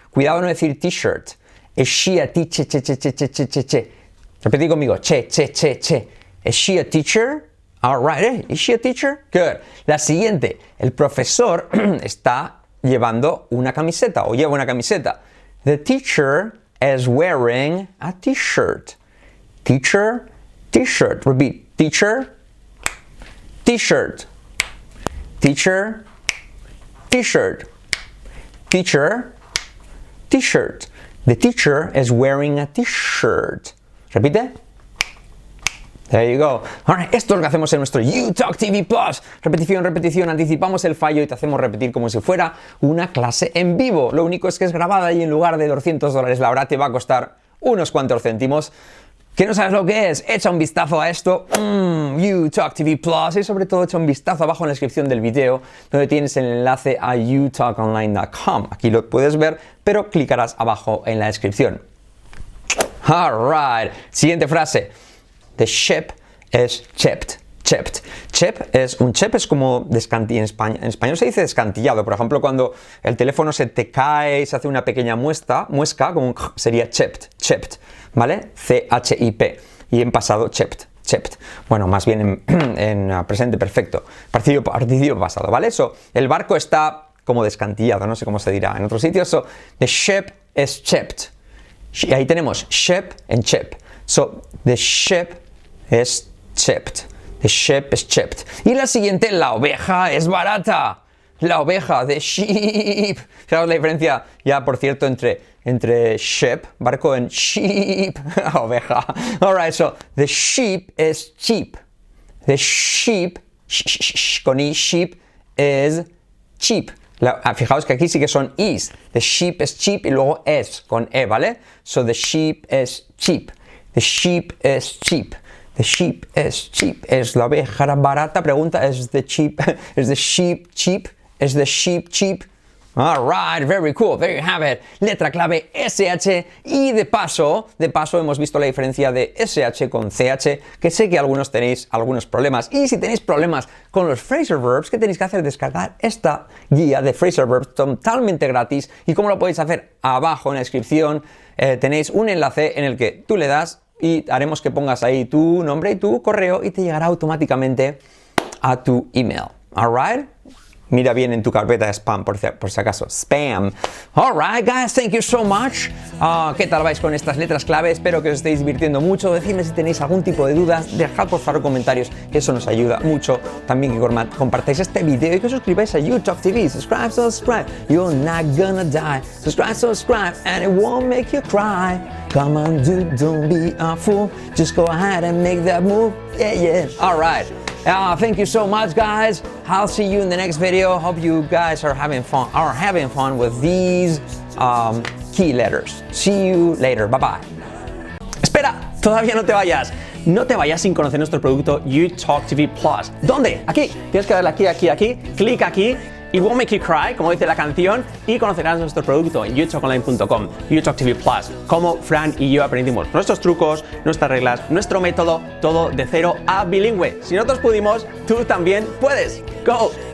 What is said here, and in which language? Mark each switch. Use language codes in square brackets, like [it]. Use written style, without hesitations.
[es] Cuidado no decir t-shirt. ¿Es [en] she a teacher? [es] Che, che, che, che, che, che, che. Repetí conmigo, che, che, che, che. [en] ¿Es she a teacher? [es] All right, ¿eh? [en] ¿Is she a teacher? Good. [es] La siguiente, el profesor está llevando una camiseta, o lleva una camiseta. [en] The teacher is wearing a t-shirt. Teacher, t-shirt. Repeat. Teacher, t-shirt. Teacher, t-shirt. Teacher, t-shirt. The teacher is wearing a t-shirt. Repite. There you go. [es] Alright, esto es lo que hacemos en nuestro YouTalk TV Plus. Repetición, repetición, anticipamos el fallo y te hacemos repetir como si fuera una clase en vivo. Lo único es que es grabada y en lugar de $200 la hora te va a costar unos cuantos céntimos. ¿Que no sabes lo que es? Echa un vistazo a esto. YouTalk TV Plus. Y sobre todo echa un vistazo abajo en la descripción del video donde tienes el enlace a youtalkonline.com. Aquí lo puedes ver, pero clicarás abajo en la descripción. [en] Alright, [es] siguiente frase. [en] The ship is chipped. Chipped. [es] Chip es un chip, es como descantillado. En español se dice descantillado. Por ejemplo, cuando el teléfono se te cae y se hace una pequeña muesca, como un, sería chipped. Chipped. ¿Vale? C-H-I-P. Y en pasado, chipped. Chipped. Bueno, más bien en presente, perfecto. Participio pasado, ¿vale? Eso. El barco está como descantillado, no sé cómo se dirá en otros sitios. [en] So, the ship is chipped. [es] Y ahí tenemos [en] ship and chip. So, the ship is chipped. The ship is chipped. [es] Y la siguiente, la oveja es barata. la oveja, de sheep. Fijaos la diferencia ya, por cierto, entre ship, barco, en sheep, oveja. [en] Alright, so the sheep is cheap. The sheep, con i, sheep, is cheap. [es] Fijaos que aquí sí que son is. [en] The sheep is cheap [es] y luego es con e, ¿vale? [en] So the sheep is cheap. The sheep is cheap. The sheep is cheap. [es] Es la oveja barata. Pregunta, ¿es [en] the sheep? ¿Es the sheep cheap? ¿Es the sheep cheap? Alright, very cool. There you have it. [es] Letra clave SH. Y de paso hemos visto la diferencia de SH con CH, que sé que algunos tenéis algunos problemas. Y si tenéis problemas con los phrasal verbs, ¿qué tenéis que hacer? Descargar esta guía de phrasal verbs totalmente gratis. ¿Y cómo lo podéis hacer? Abajo en la descripción tenéis un enlace en el que tú le das y haremos que pongas ahí tu nombre y tu correo y te llegará automáticamente a tu email. Alright? Mira bien en tu carpeta de spam, por si acaso. Spam. [en] All right, guys, thank you so much. [es] ¿Qué tal vais con estas letras clave? Espero que os estéis divirtiendo mucho. Decidme si tenéis algún tipo de dudas. Dejad por favor comentarios, que eso nos ayuda mucho. También que compartáis este video y que os suscribáis a YouTube TV. [en] Subscribe, subscribe. You're not gonna die. Subscribe, subscribe. And it won't make you cry. Come on, dude, don't be a fool. Just go ahead and make that move. Yeah, yeah. All right. Thank you so much, guys. I'll see you in the next video. Hope you guys are having fun with these key letters. See you later. Bye bye. [es] Espera, todavía no te vayas. No te vayas sin conocer nuestro producto YouTalk TV Plus. ¿Dónde? Aquí. Tienes que darle aquí, aquí, aquí. Clic aquí. [en] It won't make you cry, [es] como dice la canción, y conocerás nuestro producto en youtalkonline.com, YouTalk TV Plus. Como Fran y yo aprendimos nuestros trucos, nuestras reglas, nuestro método, todo de cero a bilingüe. Si nosotros pudimos, tú también puedes. ¡Go!